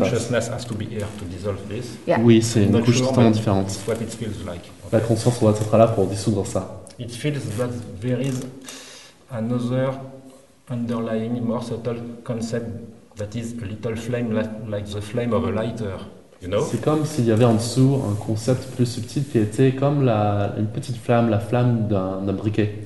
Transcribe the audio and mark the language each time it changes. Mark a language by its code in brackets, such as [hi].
[en] Consciousness has to be here to dissolve this. Yeah. [fr] Oui, c'est une couche totalement différente. [en] What it feels like. [fr] Okay. La conscience doit être là pour dissoudre ça. [en] It feels that there is another underlying, more subtle concept. That is a little flame, like the flame of a lighter, you know. [fr] C'est comme s'il y avait en dessous un concept plus subtil qui était comme une petite flamme, la flamme d'un briquet.